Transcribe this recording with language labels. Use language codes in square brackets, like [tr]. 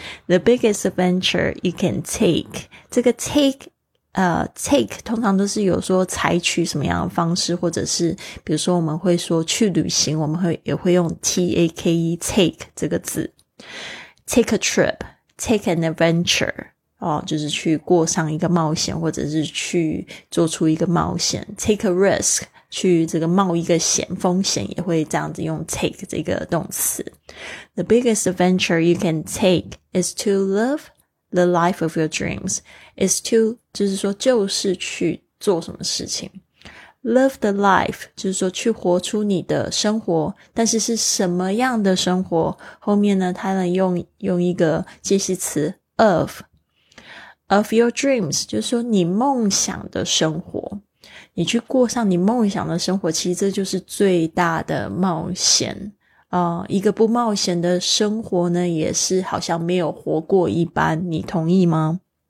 [en] The biggest adventure you can take, [zh] 这个 take 通常都是有说采取什么样的方式，或者是比如说我们会说去旅行，我们会也会用 take take 这个字， [en] take a trip, take an adventure、 [zh] 哦、就是去过上一个冒险，或者是去做出一个冒险， [en] take a risk, [zh] 去这个冒一个险，风险也会这样子用 take 这个动词。 [en] The biggest adventure you can take is to live the life of your dreams, is to, [zh] 就是说就是去做什么事情。 [en] Live the life [zh] 就是说去活出你的生活，但是是什么样的生活，后面呢他能用一个介系词 [en] of your dreams, [zh] 就是说你梦想的生活，你去过上你梦想的生活，其实这就是最大的冒险、一个不冒险的生活呢也是好像没有活过一般，你同意吗？